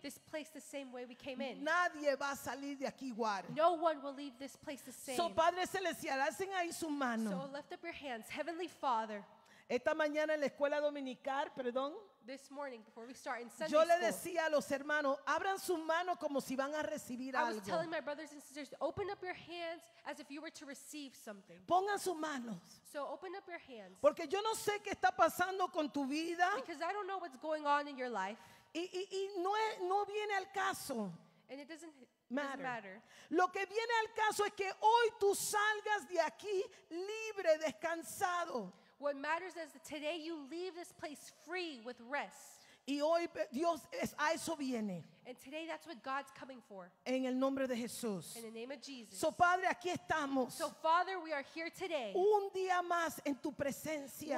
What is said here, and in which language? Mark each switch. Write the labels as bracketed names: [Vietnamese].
[English] This place the same way we came in. [Spanish] Nadie va a salir de aquí igual. [English] No one will leave this place the same. [Spanish] So Padre Celestial, hacen ahí su mano. [English] So lift up your hands, Heavenly Father. [Spanish] Esta mañana en la escuela dominical, perdón. [English] This morning, before we start in Sunday school, [Spanish] yo le decía a los hermanos, abran sus manos como si van a recibir algo. [English] I was telling my brothers and sisters, open up your hands as if you were to receive something. [Spanish] Pongan sus manos. [English] So open up your hands. [Spanish] Porque yo no sé qué está pasando con tu vida. [English] Because I don't know what's going on in your life. [Spanish] Y no es, no viene al caso. [English] And it doesn't matter. [Spanish] Lo que viene al caso es que hoy tú salgas de aquí libre, descansado. [English] What matters is that today you leave this place free with rest. [Spanish] Y hoy Dios es, a eso viene. [English] And today that's what God's coming for. [Spanish] En el nombre de Jesús. [English] In the name of Jesus. [Spanish] So Padre, aquí estamos. [English] So Father, we are here today. [Spanish] Un día más en tu presencia.